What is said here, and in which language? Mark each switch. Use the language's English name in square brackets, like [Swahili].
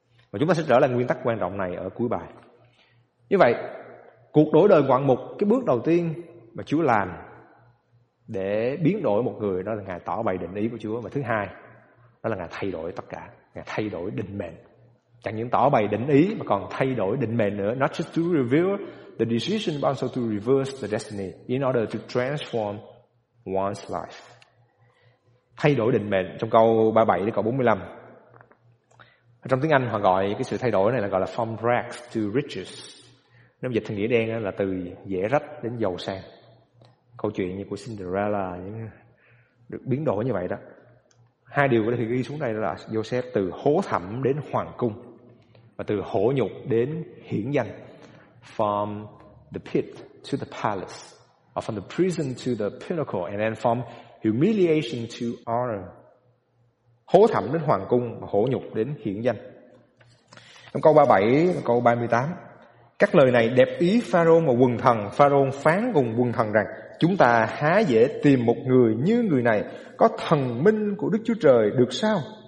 [Vietnamese] Và chúng ta sẽ trở lại nguyên tắc quan trọng này ở cuối bài. Như vậy, cuộc đổi đời ngoạn mục, cái bước đầu tiên mà Chúa làm để biến đổi một người, đó là Ngài tỏ bày định ý của Chúa. Và thứ hai, đó là Ngài thay đổi tất cả, Ngài thay đổi định mệnh. Chẳng những tỏ bày định ý mà còn thay đổi định mệnh nữa. [English] Not just to reveal the decision but also to reverse the destiny in order to transform one's life. [Vietnamese] Thay đổi định mệnh trong câu 37 đến câu 45. Trong tiếng Anh họ gọi cái sự thay đổi này là gọi là [English] from rags to riches. [Vietnamese] Nếu dịch thành nghĩa đen là từ dễ rách đến giàu sang. Câu chuyện như của Cinderella những được biến đổi như vậy đó. Hai điều có thể ghi xuống đây là Joseph từ hố thẳm đến hoàng cung và từ hổ nhục đến hiển danh. [English] From the pit to the palace, or from the prison to the pinnacle, and then from humiliation to honor. [Vietnamese] Hố thẳm đến hoàng cung và hổ nhục đến hiển danh. Trong câu 37, câu 38, các lời này đẹp ý Pharaoh và quần thần. Pharaoh phán cùng quần thần rằng: chúng ta há dễ tìm một người như người này có thần minh của Đức Chúa Trời được sao?